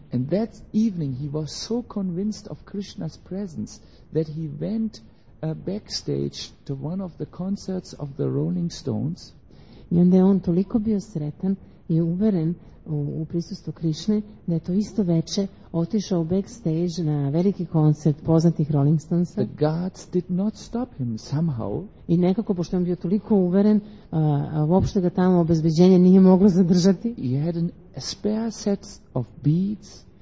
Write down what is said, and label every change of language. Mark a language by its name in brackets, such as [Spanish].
[English] And that evening he was so convinced of Krishna's presence that he went backstage to one of the concerts of the Rolling Stones. [Serbian] I onda je on toliko bio sretan i uveren u prisustvu Krišne da je to isto veče otišao backstage na veliki koncert poznatih Rolling Stonesa. [English] The guards did not stop him somehow. [Serbian] I nekako, pošto je on bio toliko uveren, uopšte ga tamo obezbeđenje nije moglo zadržati. [English] He had a spare set of beads.